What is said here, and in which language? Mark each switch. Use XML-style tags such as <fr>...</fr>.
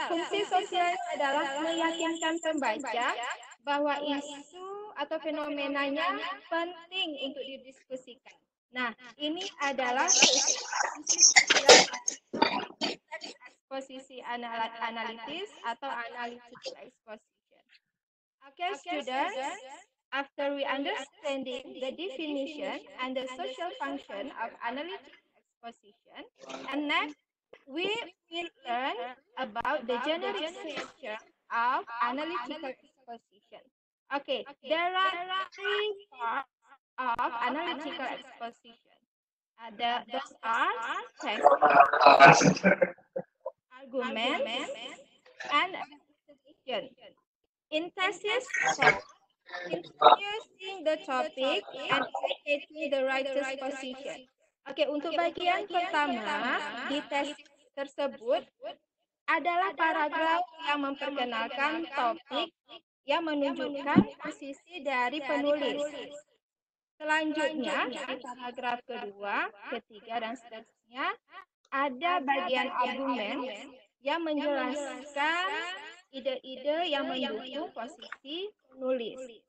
<id>Fungsi sosial adalah meyakinkan pembaca bahwa isu atau fenomenanya penting untuk didiskusikan. Nah, ini adalah eksposisi analitis atau analytical exposition.</id> <en>Okay, students, after we understanding the definition and the social function of analytical exposition, and next, we will learn about the generic structure of analytical exposition. Okay, there are three parts of analytical exposition. Those are text, argument, and exposition. In thesis, introducing the topic and indicating the writer's position.</en> <id>Okay, untuk bagian pertama di tes tersebut adalah paragraf yang memperkenalkan topik yang menunjukkan posisi dari penulis. Selanjutnya, di paragraf kedua, ketiga, dan seterusnya, ada bagian argumen yang menjelaskan ide-ide yang mendukung posisi penulis.</id>